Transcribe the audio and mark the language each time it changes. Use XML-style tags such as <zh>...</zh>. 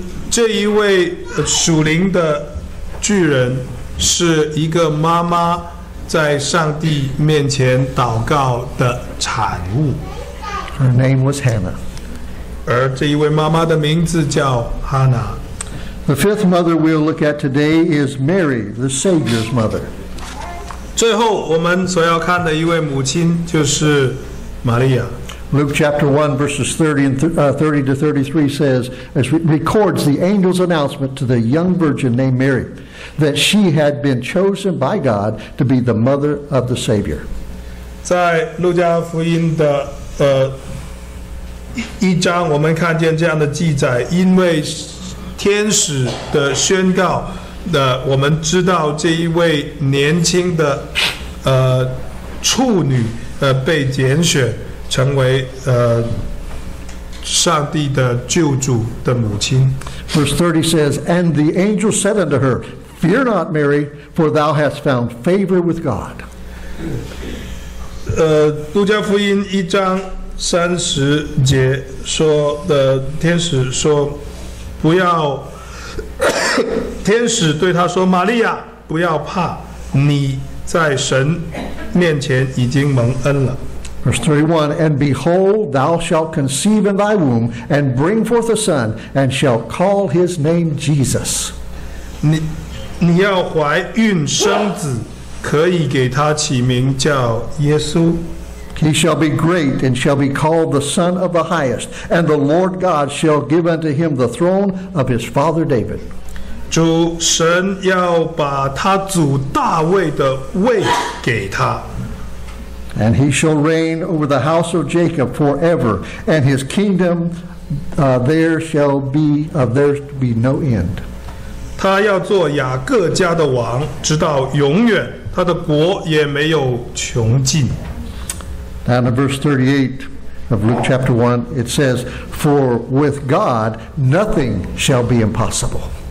<zh>这一位属灵的巨人是一个妈妈在上帝面前祷告的产物。</zh> <en>Her name was Hannah.</en> <zh>而这一位妈妈的名字叫哈拿。</zh> <en>The fifth mother we'll look at today is Mary, the Savior's mother.</en> <zh>最后我们所要看的一位母亲就是Maria.</zh> <en>Luke chapter 1 verses 30 to 33 says, as records the angel's announcement to the young virgin named Mary, that she had been chosen by God to be the mother of the Savior.</en> <zh>在路加福音的一章，我们看见这样的记载，因为天使的宣告，我们知道这一位年轻的处女被拣选成为上帝的救主的母亲。</zh> <en>Verse 30 says, And the angel said unto her, Fear not, Mary, for thou hast found favor with God.</en> <zh>路加福音一章三十节说的天使说不要天使对他说玛利亚不要怕你在神面前已经蒙恩了</zh> <en>Verse 31, And behold, thou shalt conceive in thy womb, and bring forth a son, and shalt call his name Jesus.</en> <zh>你要怀孕生子，可以给他起名叫耶稣。</zh> <en>He shall be great, and shall be called the Son of the Highest, and the Lord God shall give unto him the throne of his father David.</en> <zh>主神要把他祖大卫的位给他。</zh> <en>And he shall reign over the house of Jacob forever, and his kingdom there shall be of there to be no end.</en> <zh>他要做雅各家的王，直到永远，他的国也没有穷尽。</zh> <en>Down to verse 38 of Luke chapter 1, it says, "For with God nothing shall be impossible."</en>